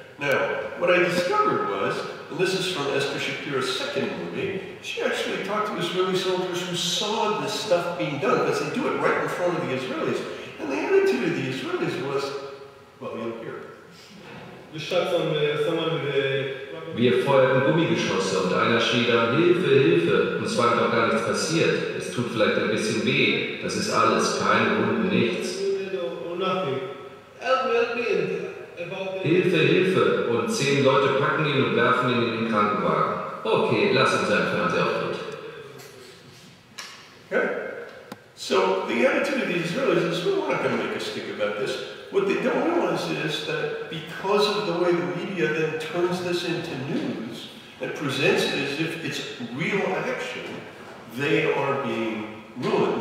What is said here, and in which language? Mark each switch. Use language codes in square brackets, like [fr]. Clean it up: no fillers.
[en] Now, what I discovered was, and this is from Esther Shapira's second movie, she actually talked to Israeli soldiers who saw this stuff being done, because they do it right in front of the Israelis. And the attitude of the Israelis was, well, you'll hear. You shot someone with a... [de] Wir feuerten Gummigeschosse und einer schrie dann Hilfe, Hilfe, und zwar ist doch gar nichts passiert. Es tut vielleicht ein bisschen weh, das ist alles, keine Wunden, nichts. Hilfe, Hilfe! Und 10 Leute packen ihn und werfen ihn in den Krankenwagen. Okay, lass uns einen Fernseher auf. Okay. [en] So, the attitude of the Israelis is, we're not going to make a stick about this. What they don't realize is that because of the way the media then turns this into news and presents it as if it's real action, they are being ruined.